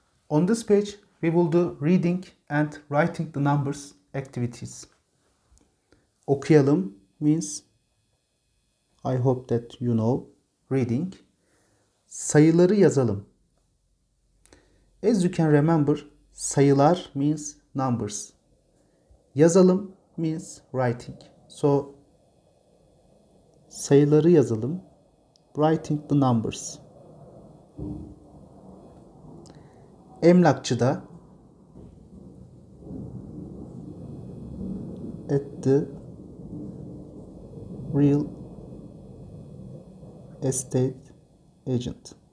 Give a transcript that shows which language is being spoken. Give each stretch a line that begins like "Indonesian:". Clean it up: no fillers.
English: On this page, we will do reading and writing the numbers activities. Okuyalım means, I hope that you know, reading.
Turkish: Sayıları yazalım.
English: As you can remember, sayılar means numbers. Yazalım means writing. So,
Turkish: sayıları yazalım,
English: writing the numbers. Emlakçıda, at the real estate agent.